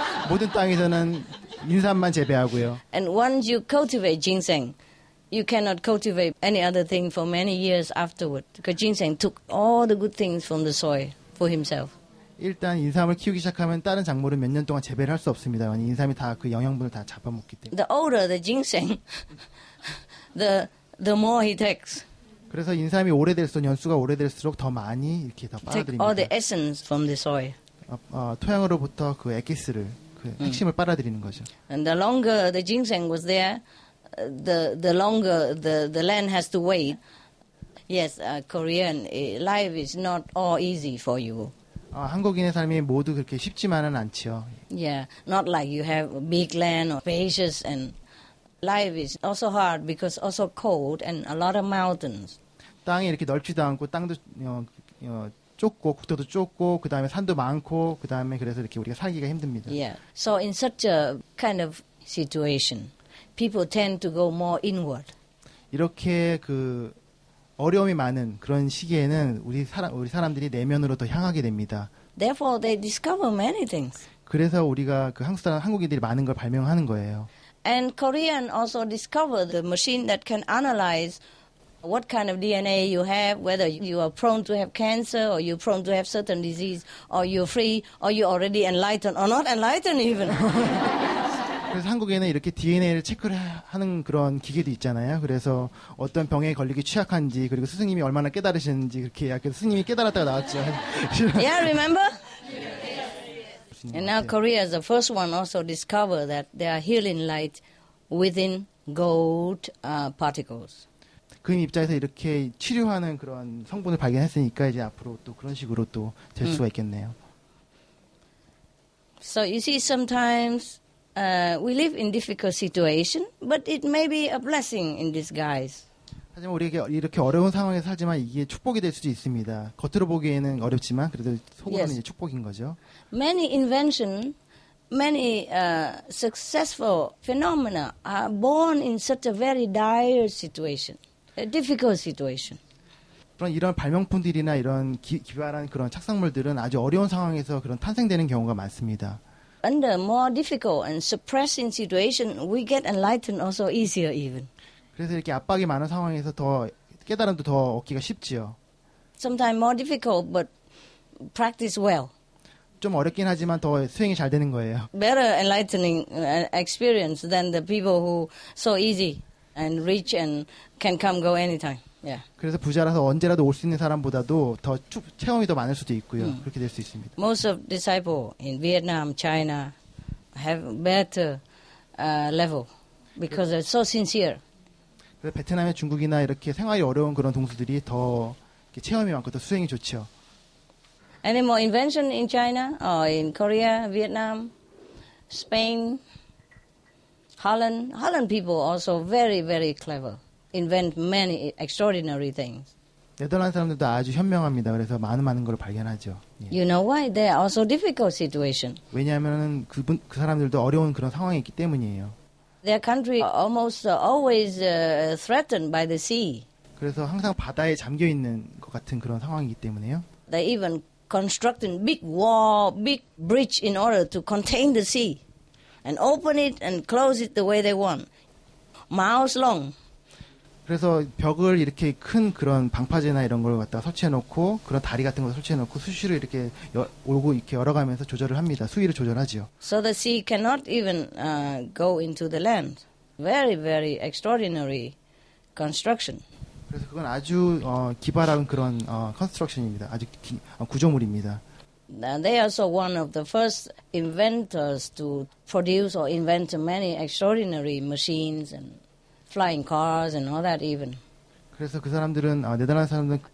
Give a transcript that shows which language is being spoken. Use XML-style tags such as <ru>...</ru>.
<ko>모든 땅에서는 인삼만 재배하고요.</ko> <en>And once you cultivate ginseng, you cannot cultivate any other thing for many years afterward. Because ginseng took all the good things from the soil for himself.</en> <ko>일단 인삼을 키우기 시작하면 다른 작물은 몇 년 동안 재배를 할 수 없습니다. 왜냐하면 인삼이 다 그 영양분을 다 잡아먹기 때문에.</ko> <en>The older the ginseng, the more he takes.</en> <ko>그래서 인삼이 오래될수록 연수가 오래될수록 더 많이 이렇게 더 빨아들입니다.</ko> <en>Take all the essence from the soil.</en> <ko>토양으로부터 그 액기스를 그 핵심을 빨아들이는 거죠.</ko> <en>And the longer the ginseng was there, the longer the land has to wait. Yes, Korean life is not all easy for you.</en> <ko>한국인의 삶이 모두 그렇게 쉽지만은 않지요.</ko> <en>Yeah, not like you have big land or spacious and life is also hard because also cold and a lot of mountains.</en> <ko>땅이 이렇게 넓지도 않고 땅도 좁고 국토도 좁고 그다음에 산도 많고 그다음에 그래서 이렇게 우리가 살기가 힘듭니다.</ko> <en>Yeah. So in such a kind of situation, people tend to go more inward.</en> <ko>이렇게 그 어려움이 많은 그런 시기에는 우리 사람들이 내면으로 더 향하게 됩니다.</ko> <en>Therefore they discover many things.</en> <ko>그래서 우리가 그 한국인들이 많은 걸 발명하는 거예요.</ko> <en>And Korean also discovered the machine that can analyze what kind of DNA you have, whether you are prone to have cancer or you're prone to have certain disease, or you're free, or you're already enlightened, or not enlightened even.</en> <ko>그래서 한국에는 이렇게 DNA를 체크를 하는 그런 기계도 있잖아요. 그래서 어떤 병에 걸리기 취약한지 그리고 스승님이 얼마나 깨달으시는지 그렇게 약해서 스승님이 깨달았다가 나왔죠.</ko> <en>Yeah, remember? And now Korea is the first one also discover that there are healing light within gold particles.</en> <ko>그인 입장에서 이렇게 치료하는 그런 성분을 발견했으니까 이제 앞으로 또 그런 식으로 또 될 수가 있겠네요.</ko> <en>So you see sometimes we live in difficult situation, but it may be a blessing in disguise.</en> <ko>하지만 우리에게 이렇게 어려운 상황에서 살지만 이게 축복이 될 수도 있습니다. 겉으로 보기에는 어렵지만 그래도 속으로는 yes. 축복인 거죠.</ko> <en>Many inventions, many successful phenomena are born in such a very dire situation, a difficult situation.</en> <ko>그런 이런 발명품들이나 이런 기발한 그런 착상물들은 아주 어려운 상황에서 그런 탄생되는 경우가 많습니다.</ko> <en>Under more difficult and suppressing situation, we get enlightened also easier even.</en> <ko>그래서 이렇게 압박이 많은 상황에서 더 깨달음도 더 얻기가 쉽지요.</ko> <en>Sometimes more difficult, but practice well.</en> <ko>좀 어렵긴 하지만 더 수행이 잘 되는 거예요.</ko> <en>Better enlightening experience than the people who so easy and rich and can come go anytime. Yeah.</en> <ko>그래서 부자라서 언제라도 올 수 있는 사람보다도 더 체험이 더 많을 수도 있고요. 그렇게 될 수 있습니다.</ko> <en>Most of disciples in Vietnam, China have better level because they're so sincere.</en> <ko>그래서 베트남의 중국이나 이렇게 생활이 어려운 그런 동수들이 더 이렇게 체험이 많고 더 수행이 좋죠.</ko> <en>Any more invention in China or in Korea, Vietnam, Spain, Holland? Holland people also very, very clever. Invent many extraordinary things.</en> <ko>네덜란드 사람들도 아주 현명합니다. 그래서 많은 걸 발견하죠.</ko> <en>예. You know why? They are also difficult situation.</en> <ko>왜냐하면 그 사람들도 어려운 그런 상황이 있기 때문이에요.</ko> <en>Their country almost always threatened by the sea.</en> <ko>그래서 항상 바다에 잠겨 있는 것 같은 그런 상황이기 때문에요.</ko> <en>They even constructing big wall, big bridge in order to contain the sea and open it and close it the way they want. Miles long.</en> <ko>그래서 벽을 이렇게 큰 그런 방파제나 이런 걸 갖다 설치해 놓고 그런 다리 같은 걸 설치해 놓고 수시로 이렇게 오고 이렇게 열어 가면서 조절을 합니다. 수위를 조절하지요.</ko> <en>So the sea cannot even go into the land. Very very extraordinary construction.</en> <ko>그래서 그건 아주 기발한 그런 construction입니다. 아주 구조물입니다.</ko> <en>They are also one of the first inventors to produce or invent many extraordinary machines and flying cars and all that even.</en> <ko>그래서 그 사람들은 네덜란드 사람들</ko>